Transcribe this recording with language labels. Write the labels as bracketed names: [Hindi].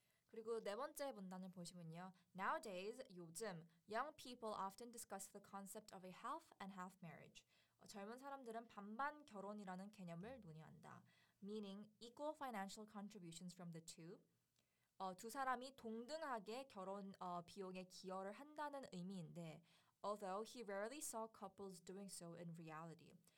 [Korean] 그리고 네 번째 문단을 보시면요. [English] Nowadays, [Korean] 요즘, [English] young people often discuss the concept of a half and half marriage. [Korean] 젊은 사람들은 반반 결혼이라는 개념을 논의한다. [English] Meaning, equal financial contributions from the two. [Korean] 두 사람이 동등하게 결혼 비용에 기여를 한다는 의미인데, [English] although he rarely saw couples doing so in reality.